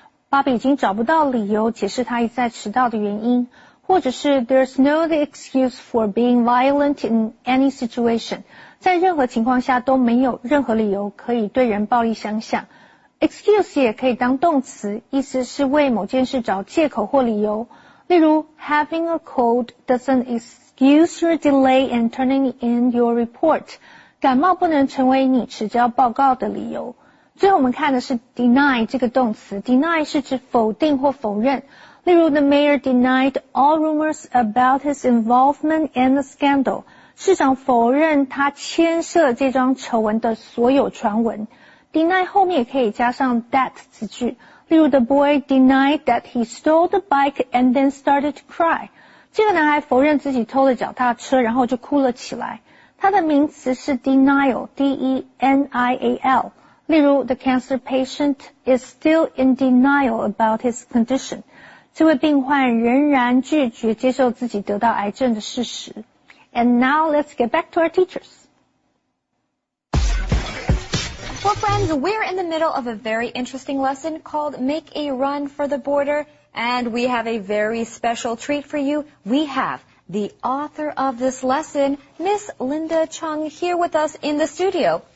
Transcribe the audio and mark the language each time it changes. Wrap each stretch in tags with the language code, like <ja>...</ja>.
<zh>Bobby 已经找不到理由解释他一再迟到的原因。或者是</zh> <en>there's no excuse for being violent in any situation.</en> <zh>在任何情况下都没有任何理由可以对人暴力相向。</zh> <en>Excuse</en> <zh>也可以当动词，意思是为某件事找借口或理由。例如</zh> <en>having a cold doesn't excuse your delay in turning in your report.</en> <zh>感冒不能成为你迟交报告的理由。最后我们看的是 deny 这个动词。deny 是指否定或否认。例如</zh> <en>the mayor denied all rumors about his involvement in the scandal.</en> <zh>市长否认他牵涉这张丑闻的所有传闻。</zh> <en>Deny</en> <zh>后面也可以加上</zh> <en>that</en> <zh>子句，例如</zh> <en>the boy denied that he stole the bike and then started to cry。</en> <zh>这个男孩否认自己偷了脚踏车，然后就哭了起来。他的名词是 denial，D-E-N-I-A-L。例如</zh> <en>the cancer patient is still in denial about his condition。</en> <zh>这位病患仍然拒绝接受自己得到癌症的事实。</zh> <en>And now let's get back to our teachers. Well, friends, we're in the middle of a very interesting lesson called Make a Run for the Border, and we have a very special treat for you. We have the author of this lesson, Miss Linda Chung, here with us in the studio.</en>